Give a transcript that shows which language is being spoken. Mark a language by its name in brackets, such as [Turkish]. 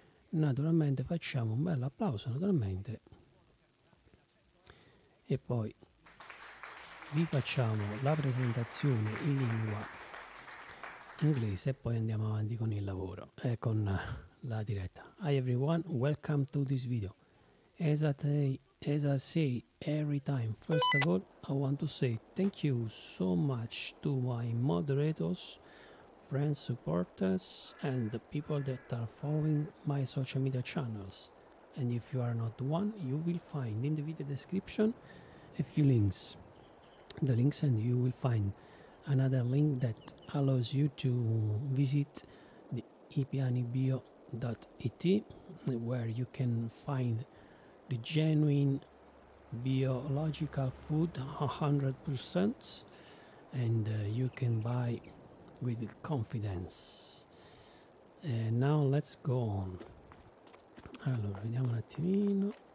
[Italian] Naturalmente facciamo un bel applauso, naturalmente, e poi vi facciamo la presentazione in lingua inglese e poi andiamo avanti con il lavoro e con la diretta. [English] Hi everyone, welcome to this video. As I say every time, first of all I want to say thank you so much to my moderators, friends, supporters and the people that are following my social media channels. And if you are not one, you will find in the video description a few links. The links, and you will find another link that allows you to visit the ipianibio.it, where you can find the genuine biological food 100%, and you can buy with confidence. And now let's go on. [Italian] Allora, vediamo un attimino.